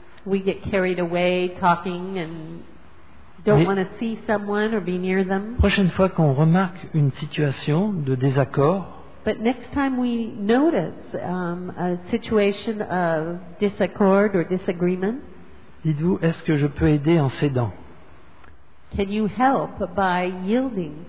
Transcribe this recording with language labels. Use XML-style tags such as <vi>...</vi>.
<en>We get carried away talking and. Don't want to see someone or be near them.</en> <fr>Prochaine fois qu'on remarque une situation de désaccord,</fr> <en>but next time we notice a situation of disaccord or disagreement,</en> <fr>dites-vous, est-ce que je peux aider en cédant?</fr> <en>Can you help by yielding?</en>